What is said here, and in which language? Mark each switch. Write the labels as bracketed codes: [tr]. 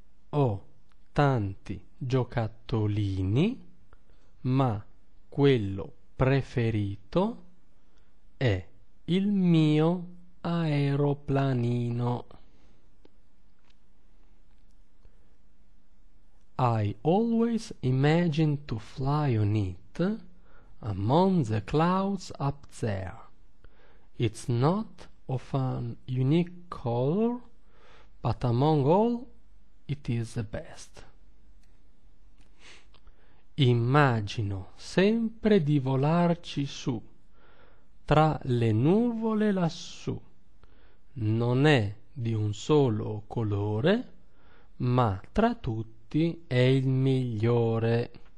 [it] Ho tanti giocattolini, ma quello preferito è il mio aeroplanino. [en] I always imagine to fly on it, among the clouds up there. It's not of an unique color, but among all, it is the best. [it] Immagino sempre di volarci su, tra le nuvole lassù. Non è di un solo colore, ma tra tutti è il migliore.